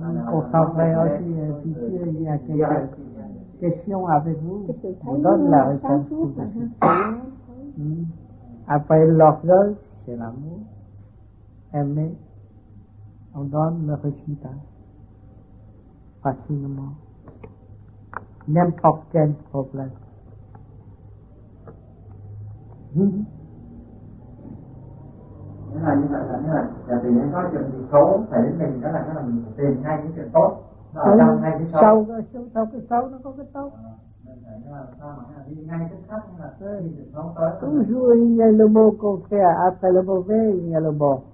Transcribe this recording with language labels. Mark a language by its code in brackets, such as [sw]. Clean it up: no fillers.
[fr] Pour s'enfler aussi, si il y a quelques questions avec vous, on donne la réponse tout de suite. Après l'orgueil, c'est l'amour. Aimer, on donne le résultat facilement. N'importe quel problème. [vi] Nên là như vậy, là tự nhiên có chuyện gì xấu xảy đến mình, đó là cái là mình tìm ngay cái chuyện tốt, nó ở trong ngay cái xấu. Sau cái xấu nó có cái tốt. Nên là sao mà đi ngay cái khác, nên là cái gì xấu tới. [fr] Toujours il y a le mot qu'on fait après le mauvais, il y a le bon.